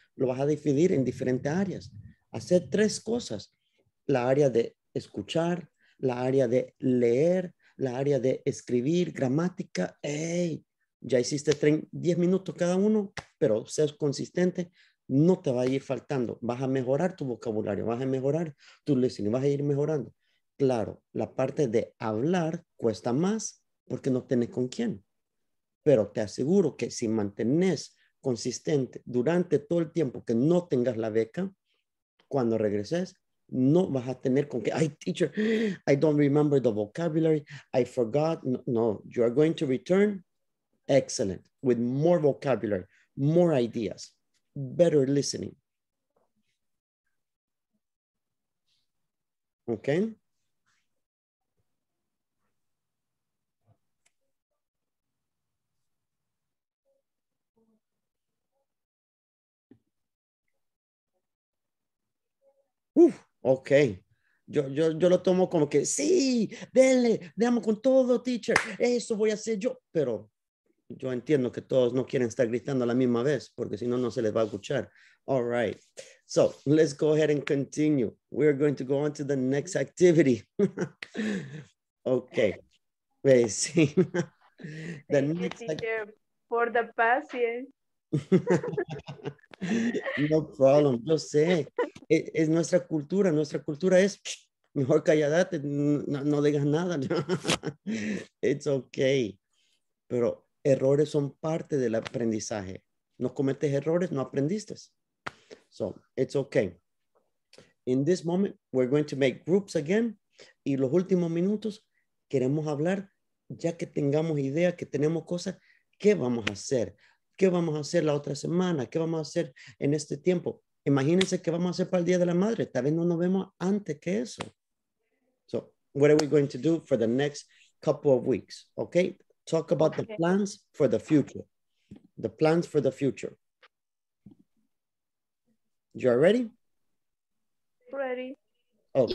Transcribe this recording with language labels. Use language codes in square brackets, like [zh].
[es] Lo vas a dividir en diferentes áreas, hacer tres cosas, la área de escuchar, la área de leer, la área de escribir, gramática, hey, ya hiciste 10 minutos cada uno, pero seas consistente, no te va a ir faltando, vas a mejorar tu vocabulario, vas a mejorar tu listening, vas a ir mejorando. Claro, la parte de hablar cuesta más porque no tienes con quién. Pero te aseguro que si mantienes consistente durante todo el tiempo que no tengas la beca, cuando regreses, no vas a tener con qué. [en] Ay, teacher, I don't remember the vocabulary, I forgot. No, you are going to return excellent, with more vocabulary, more ideas. Better listening. Okay. Okay. [es] Yo lo tomo como que sí, dele, veamos con todo, teacher. Eso voy a hacer yo, pero. Yo entiendo que todos no quieren estar gritando a la misma vez, porque si no, no se les va a escuchar. [en] All right. So, let's go ahead and continue. We're going to go on to the next activity. Okay. Wait, sí. The Thank next you, teacher, for the patience. No problem. [es] Yo sé. Es nuestra cultura. Nuestra cultura es mejor calladate. No digas nada. [en] It's okay. [es] Pero errores son parte del aprendizaje. No cometes errores, no aprendiste. [en] So, it's okay. In this moment, we're going to make groups again. [es] Y los últimos minutos, queremos hablar, ya que tengamos idea, que tenemos cosas, ¿qué vamos a hacer? ¿Qué vamos a hacer la otra semana? ¿Qué vamos a hacer en este tiempo? Imagínense qué vamos a hacer para el Día de la Madre. Tal vez no nos vemos antes que eso. [en] So, what are we going to do for the next couple of weeks? Okay. Talk about the plans for the future. The plans for the future. You are ready? Ready. Okay.